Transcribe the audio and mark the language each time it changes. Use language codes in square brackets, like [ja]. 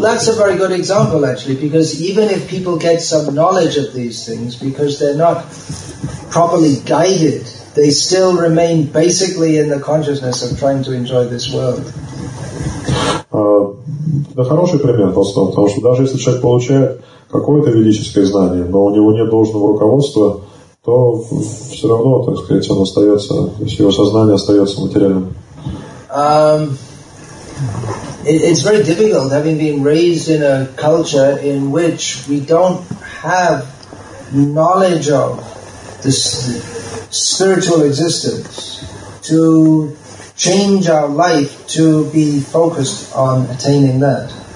[en] that's a very good example, actually, because even if people get some knowledge of these things, because they're not properly guided, they still remain basically in the consciousness of trying to enjoy this world. [ru] Это хороший пример, Толстого, потому что даже если человек получает какое-то ведическое знание, но у него нет должного руководства, то все равно, так сказать, он остается, то есть его сознание остается материальным. [en] It's very difficult, having been raised in a culture in which we don't have knowledge of this spiritual existence, to change our life to be focused on attaining that.